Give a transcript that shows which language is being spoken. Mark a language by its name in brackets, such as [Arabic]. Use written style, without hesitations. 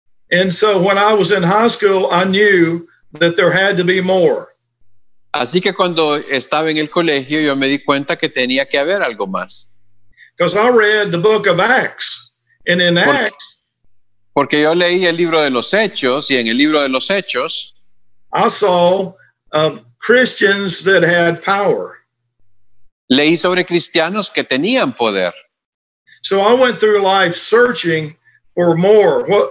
[English] And so when I was in high school, I knew that there had to be more. [Spanish] Así que cuando estaba en el colegio, yo me di cuenta que tenía que haber algo más. [English] Because I read the book of Acts, and in Acts, [Spanish] porque yo leí el libro de los Hechos, y en el libro de los Hechos, [English] I saw Christians that had power. [Spanish] Leí sobre cristianos que tenían poder. [English] So I went through life searching for more.